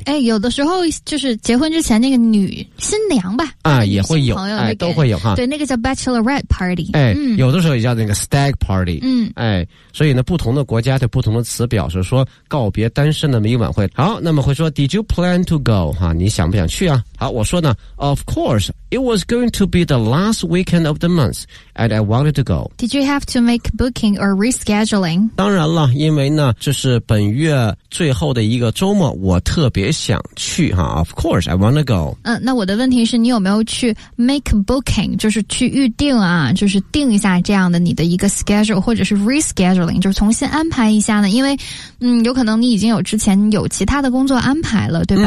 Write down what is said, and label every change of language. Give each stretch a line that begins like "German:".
Chinese: 哎，有的时候就是结婚之前那个女新娘吧，啊，也会有，哎，都会有哈。对，那个叫 bachelorette party。哎，嗯，有的时候也叫那个 stag party。嗯，哎，所以呢，不同的国家的不同的词表示说告别单身的那么一晚会。好，那么会说
English: Did you plan to go？
Chinese: 哈，你想不想去啊？好，我说呢
English: ，Of course， it was going to be the last weekend of the month， and I wanted to go。 Did you have to make booking or rescheduling？
Chinese: 当然了，因为呢，这是本月最后的一个周末，我特别想去哈。
English: Of course， I want to go。
Chinese: 嗯，那我的问题是你有没有去
English: make booking，
Chinese: 就是去预定啊，就是定一下这样的你的一个 schedule， 或者是 rescheduling， 就是重新安排一下呢？因为，嗯，有可能你已经有之前有其他的工作安排了，对吧？